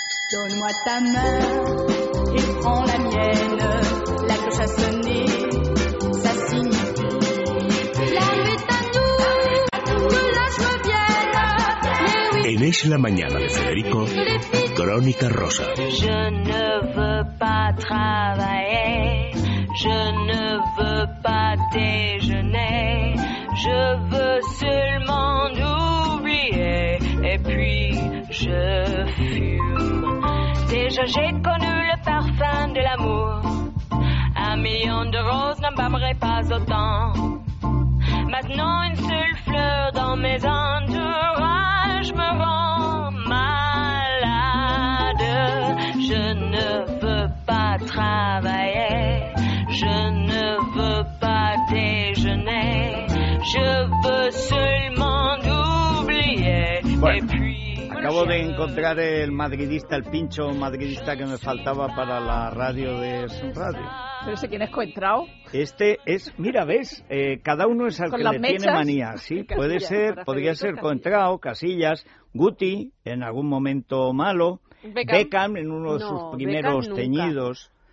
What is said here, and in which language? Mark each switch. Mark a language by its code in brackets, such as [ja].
[fr] Donne-moi ta main et prends la mienne. La cloche a sonné, ça signifie l'arrivée est à nous, que la joie vienne. [es] En Es la mañana de Federico, Crónica Rosa. [fr] Je ne veux pas travailler, je ne veux pas déjeuner, je veux seulement oublier. Et puis je fume. Déjà j'ai connu le parfum de l'amour. Un million de roses n'embaumerait pas autant. Maintenant une seule fleur dans mes entourages me rend malade. Je ne veux pas travailler, je ne veux pas déjeuner, je veux seulement oublier. Et puis [es] acabo de encontrar el madridista, el pincho madridista que me faltaba para la radio de Sun Radio. ¿Pero ese quién es Coentrao? Este es, mira, ves, cada uno es al que le tiene manía. Sí, puede ser, podría ser Coentrao, Casillas, Guti, en algún momento malo, Beckham en uno de sus primeros teñidos.